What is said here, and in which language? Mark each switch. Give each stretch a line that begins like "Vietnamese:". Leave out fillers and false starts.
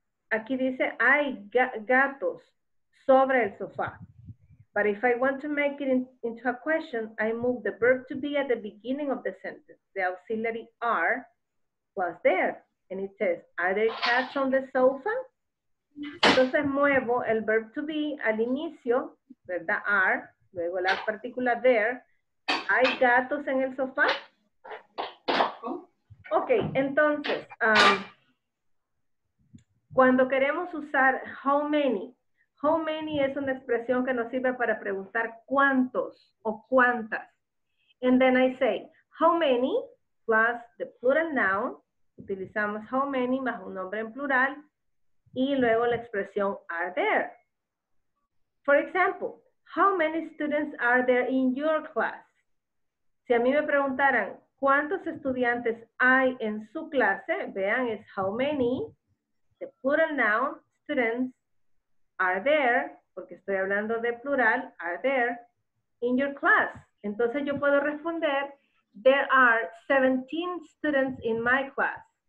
Spanish: Aquí dice, hay gatos sobre el sofá.
English: But if I want to make it into a question, I move the verb to be at the beginning of the sentence. The auxiliary are was there. And it says, are there cats on the sofa?
Spanish: Entonces muevo el verb to be al inicio, ¿verdad? Are, luego la partícula there. ¿Hay gatos en el sofá? Ok, entonces, Cuando queremos usar how many es una expresión que nos sirve para preguntar cuántos o cuántas.
English: And then I say, how many plus the plural noun,
Spanish: utilizamos how many más un nombre en plural, y luego la expresión
English: are there. For example, how many students are there in your class?
Spanish: Si a mí me preguntaran, ¿cuántos estudiantes hay en su clase? Vean, es
English: how many, the plural noun, students, are there,
Spanish: porque estoy hablando de plural,
English: are there, in your class.
Spanish: Entonces yo puedo responder,
English: there are 17 students in my class.